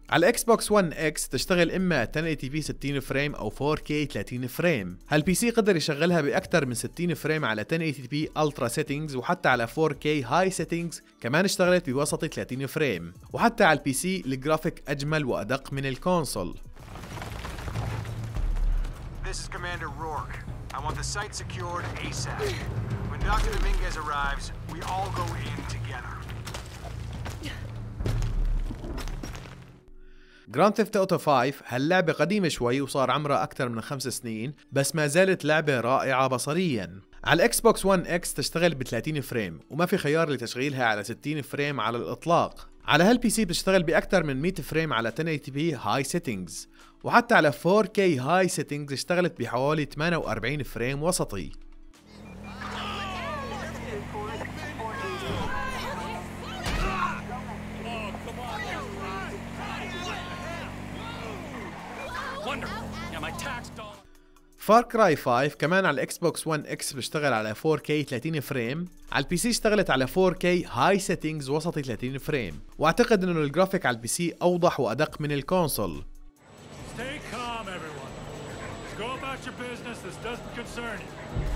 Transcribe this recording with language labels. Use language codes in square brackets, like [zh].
[ar] على الإكس بوكس 1 اكس تشتغل إما 1080p 60 فريم أو 4K 30 فريم. هالبي سي قدر يشغلها بأكثر من 60 فريم على 1080p Ultra Settings، وحتى على 4K High Settings كمان اشتغلت بوسط 30 فريم. وحتى على البي سي الجرافيك أجمل وأدق من الكونسول. [en] This is Commander Rourke. I want the site secured ASAP. When Dr. Dominguez arrives, we all go in together. [ar] Grand Theft Auto 5 هاللعبة قديمة شوي وصار عمرها أكثر من 5 سنين، بس ما زالت لعبة رائعة بصرياً. على الإكس بوكس 1 اكس تشتغل ب 30 فريم، وما في خيار لتشغيلها على 60 فريم على الإطلاق. على هالبي سي بتشتغل بأكثر من 100 فريم على 1080p High Settings، وحتى على 4K High Settings اشتغلت بحوالي 48 فريم وسطي. [en] Wonderful. Yeah, my tax dollar. [ar] Far Cry 5 كمان على الاكس بوكس 1 اكس بيشتغل على 4K 30 فريم، على البي سي اشتغلت على 4K هاي سيتينجز وسطي 30 فريم، واعتقد انه الجرافيك على البي سي اوضح وادق من الكونسول. [en] Stay calm everyone. Just go about your business. This doesn't concern you.